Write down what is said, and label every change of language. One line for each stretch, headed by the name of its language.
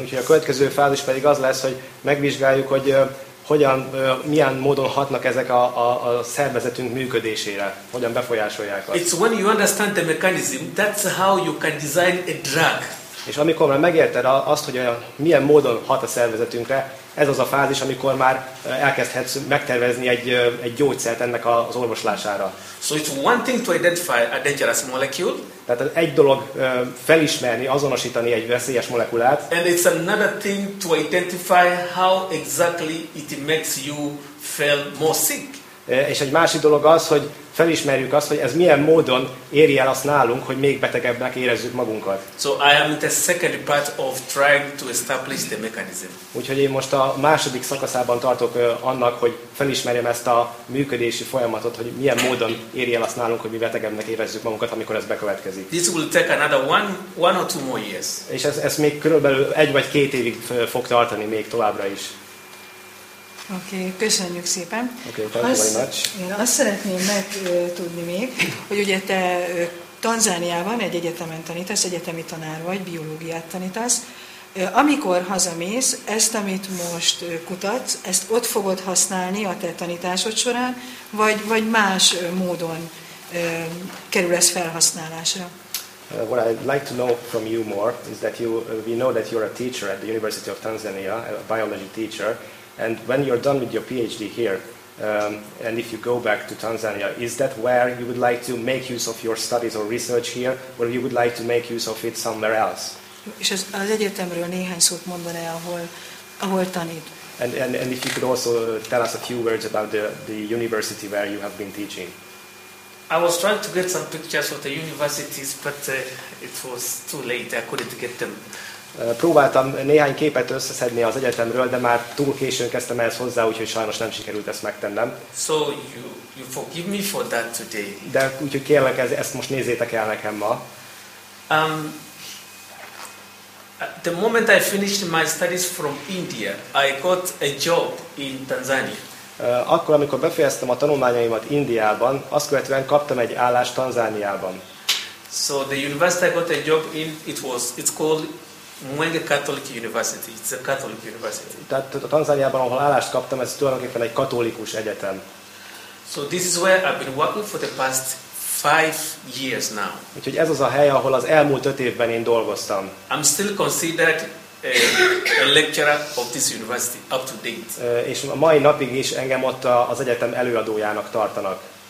Hungarian: Úgyhogy a következő fázis pedig az lesz, hogy megvizsgáljuk, hogy hogyan, milyen módon hatnak ezek a szervezetünk működésére, hogyan befolyásolják azt.
English: It's when you understand the mechanism, that's how you can design a drug.
Hungarian: És amikor már megérted azt, hogy milyen módon hat a szervezetünkre, ez az a fázis, amikor már elkezdhetsz megtervezni egy gyógyszert ennek az orvoslására.
English: So it's one thing to identify a dangerous molecule.
Hungarian: Tehát egy dolog felismerni, azonosítani egy veszélyes molekulát.
English: And it's another thing to identify how exactly it makes you feel more sick.
Hungarian: És egy másik dolog az, hogy felismerjük azt, hogy ez milyen módon éri el azt nálunk, hogy még betegebbnek érezzük magunkat.
English: So I am in the second part of trying to establish the mechanism.
Hungarian: Úgyhogy én most a második szakaszában tartok annak, hogy felismerjem ezt a működési folyamatot, hogy milyen módon éri el azt nálunk, hogy mi betegebbnek érezzük magunkat, amikor ez bekövetkezik.
English: This will take another one or two more years.
Hungarian: És ez még körülbelül egy vagy két évig fog tartani még továbbra is. Oké, okay, köszönjük szépen.
English: Oké, okay, thank you very much.
Hungarian: Én azt szeretném megtudni még, hogy ugye te Tanzániában egy egyetemen tanítasz, egyetemi tanár vagy, biológiát tanítasz. Amikor hazamész, ezt, amit most kutatsz, ezt ott fogod használni a te tanításod során, vagy más módon kerül ez felhasználásra?
English: What I'd like to know from you more is that we know that you're a teacher at the University of Tanzania, a biology teacher. And when you're done with your PhD here, and if you go back to Tanzania, is that where you would like to make use of your studies or research here, or you would like to make use of it somewhere else?
Hungarian: És az egyetemről néhány szót mondaná, ahol tanít.
English: And if you could also tell us a few words about the university where you have been teaching. I was trying to get some pictures of the universities, but it was too late. I couldn't get them.
Hungarian: Próbáltam néhány képet összeszedni az egyetemről, de már túl későn kezdtem ehhez hozzá, úgyhogy sajnos nem sikerült ezt megtennem.
English: So you forgive me for that today.
Hungarian: De úgyhogy kérlek, ezt most nézzétek el nekem ma.
English: The moment I finished my studies from India, I got a job in Tanzania.
Hungarian: Akkor, amikor befejeztem a tanulmányaimat Indiában, azt követően kaptam egy állást Tanzániában.
English: So the university I got a job in, it's called Mwenge Catholic University. It's a Catholic University.
Hungarian: Tehát a Tanzániában, ahol állást kaptam, ez tulajdonképpen egy katolikus egyetem.
English: So this is where I've been working for the past 5 years now.
Hungarian: Úgyhogy ez az a hely, ahol az elmúlt 5 évben én dolgoztam.
English: I'm still considered a lecturer of this university up to date.
Hungarian: És a mai napig is engem ott az egyetem előadójának tartanak.